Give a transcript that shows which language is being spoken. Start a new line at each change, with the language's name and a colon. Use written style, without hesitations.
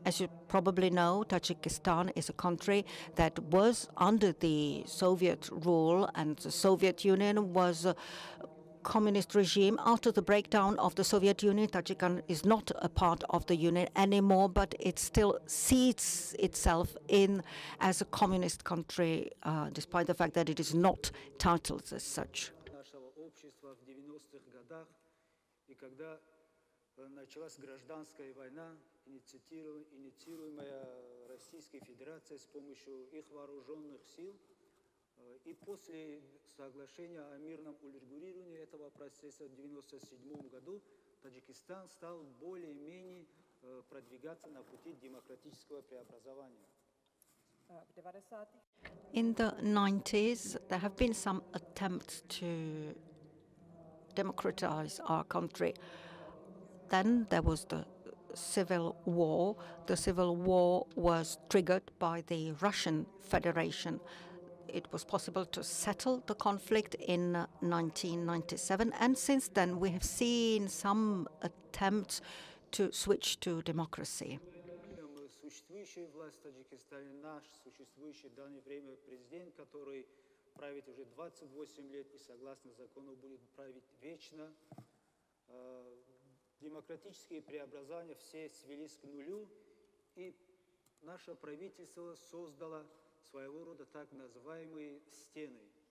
English: As you probably know, Tajikistan is a country that was under the Soviet rule, and the Soviet Union was communist regime. After the breakdown of the Soviet Union, Tajikistan is not a part of the Union anymore, but it still sees itself in as a communist country, despite the fact that it is not titled as such.
Russian: Нашего общества в 90-х годах, и когда началась гражданская война, инициируемая Российской Федерацией с помощью их вооруженных сил, И после соглашения о мирном урегулировании этого процесса в 97 году Таджикистан стал более-менее продвигаться на пути демократического преобразования.
English: In the 90s, there have been some attempts to democratize our country. Then there was the civil war. The civil war was triggered by the Russian Federation. It was possible to settle the conflict in 1997. And since then, we have seen some attempts to switch to democracy.
Russian: Существующая власть в Таджикистане, наш существующий в данное время президент, который правит уже 28 лет и согласно закону будет править вечно. Демократические преобразования все свелись к нулю, и наше правительство создало своего рода так называемые стены.